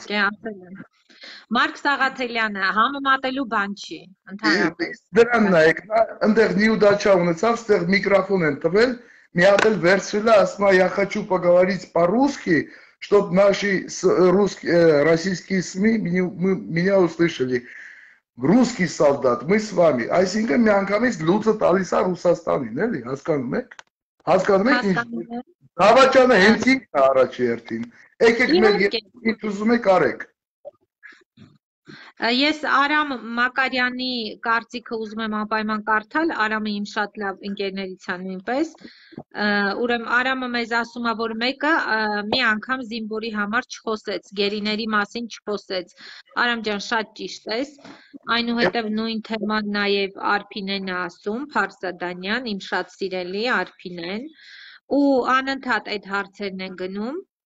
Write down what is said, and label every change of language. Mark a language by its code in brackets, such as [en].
[hy] Իհարկե, ասել եմ։ Մարկ Սաղաթելյանը համեմատելու բան չի, ընդհանրապես։ Դրան նայեք, նա ընդեղ նյուդաչա ունեցավ, ստեղ միկրոֆոն են տվել, մի հատ էլ վերցրել է, ասում է, [ru] «Я хочу поговорить по-русски, чтоб наши русские, российские СМИ меня услышали. Русский солдат, мы с вами». [hy] Այսինքն միանգամից լուծը տալիս է Ռուսաստանին, էլի, հասկանում եք։ Հասկանում եք ինչ։ Դավաճանը հենց ինքն է առաջի հերթին։ Եկեք մենք ինչ ուզում եք արեք։ Ես Արամ Մակարյանի կարծիքը ուզում եմ անպայման կարդալ, Արամը իմ շատ լավ ընկերներիցան նույնպես, ուրեմն Արամը մեզ ասում է, որ մեկը մի անգամ զինվորի համար չխոսեց, գերիների մասին չխոսեց, Արամ ջան շատ ճիշտ ես, այնուհետև նույն թեման նաև Արփինեն է ասում, Փարսադանյան, իմ շատ սիրելի Արփինեն, ու անընդհատ այդ հարցերն են գնում,